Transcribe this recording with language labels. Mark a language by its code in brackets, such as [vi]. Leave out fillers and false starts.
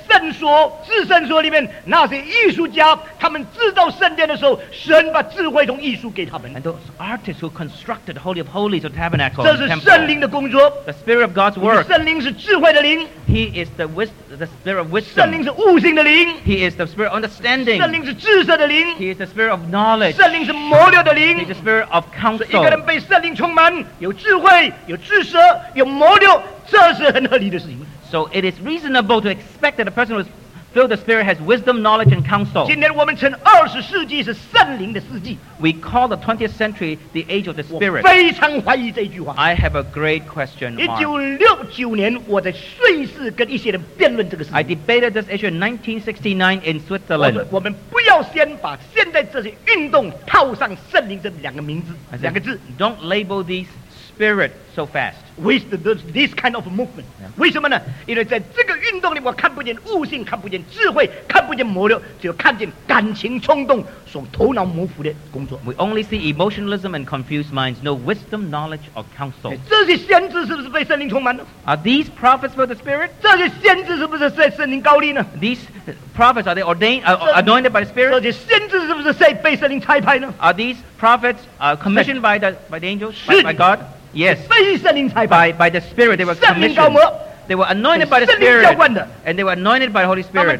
[zh] 圣所至圣所里面那些艺术家他们制造圣殿的时候神把智慧从艺术给他们 [en] And those artists who constructed the Holy of Holies or Tabernacle [zh] 这是圣灵的工作 [en] The Spirit of God's work [zh] 圣灵是智慧的灵 [en] He is the Spirit of wisdom [zh] 圣灵是悟性的灵 [en] He is the Spirit of understanding [zh] 圣灵是知识的灵 [en] He is the Spirit of knowledge [zh] 圣灵是谋略的灵 [en] He is the Spirit of counsel [zh] 一个人被圣灵充满有智慧有知识有谋略这是很合理的事情 [en] So it is reasonable to expect that a person who is filled with the Spirit has wisdom, knowledge, and counsel. [zh] 今天我们称二十世纪是圣灵的世纪。 [en] We call the 20th century the age of the Spirit. [zh] 我非常怀疑这句话。 [en] I have a great question. [zh] 1969年，我在瑞士跟一些人辩论这个事情。 [en] I debated this issue in 1969 in Switzerland. [zh] 我们不要先把现在这些运动套上圣灵这两个名字，两个字。 [en] Don't label these. Spirit so fast. With this kind of movement. Yeah. [zh] 为什么呢？因为在这个运动里，我看不见悟性，看不见智慧，看不见谋略，只有看见感情冲动所头脑模糊的工作。 [en] We only see emotionalism and confused minds, no wisdom, knowledge, or counsel. [zh] 这些先知是不是被圣灵充满了？ [en] Are these prophets for the Spirit? [zh] 这些先知是不是在圣灵高立呢？ [en] These prophets, are they ordained, anointed by the Spirit? [zh] 这些先知是不是被圣灵差派呢？ [en] Are these prophets commissioned by the angels, by God? Yes, by the Spirit they were commissioned. They were anointed by the Spirit, and they were anointed by the Holy Spirit.